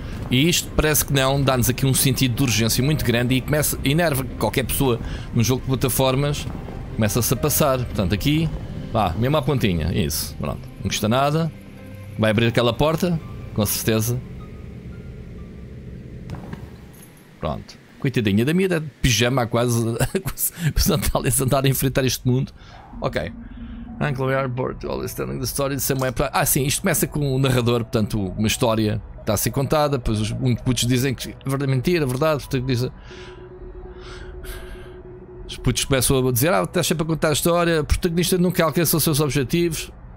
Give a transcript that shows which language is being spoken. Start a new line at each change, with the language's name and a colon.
Portuguese: E isto parece que não, dá-nos aqui um sentido de urgência muito grande e começa a enervar qualquer pessoa num jogo de plataformas. Começa-se a passar. Portanto, aqui. Vá, mesmo à pontinha, isso, pronto. Não custa nada. Vai abrir aquela porta, com certeza. Pronto. Coitadinha da minha, de pijama quase. Precisando andar a enfrentar este mundo. Ok.
English: Uncle Airport, always telling the story the same way.
Portuguese: Ah, sim, isto começa com um narrador, portanto, uma história que está a ser contada. Pois os putos dizem que é verdade, mentira, verdade. Portanto, dizem. Os putos começam a dizer, ah, estás sempre a contar a história, o protagonista nunca alcança os seus objetivos.